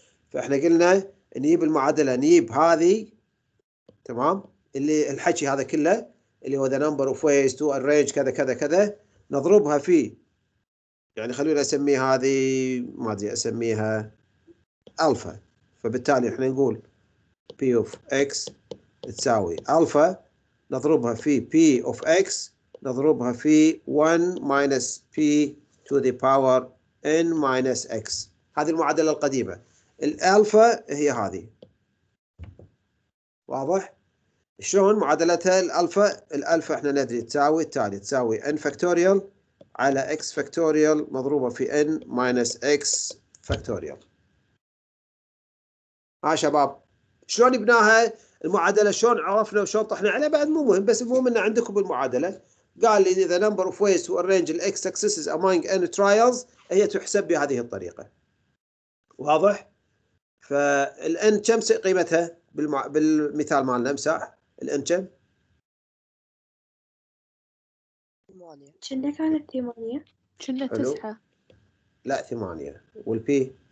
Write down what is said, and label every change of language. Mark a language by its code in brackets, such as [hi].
[ar] فاحنا قلنا نجيب المعادلة، نجيب هذه تمام اللي الحكي هذا كله اللي هو [en] the number of ways to arrange [ar] كذا كذا كذا، نضربها في يعني خلونا اسمي هذه ما ادري اسميها الفا. فبالتالي احنا نقول p of x تساوي الفا، نضربها في p of x، نضربها في [en] 1 minus p to the power n minus x. [ar] هذه المعادلة القديمة، الالفا هي هذه. واضح شلون معادلتها؟ الالفا، الالفا احنا ندري تساوي التالي، تساوي n factorial على x factorial مضروبة في [en] n minus x factorial. [ar] ها شباب شلون بناها المعادلة، شلون عرفنا وشلون طحنا عليها بعد مو مهم، بس المهم ان عندكم المعادلة. قال لي [en] the number of ways to arrange the x successes among n trials [ar] هي تحسب بهذه الطريقة. واضح؟ فال n كم قيمتها بالمثال مالنا امساح؟ ال n كم؟ 8 شنة كانت 8 شنة 9 لا 8 وال p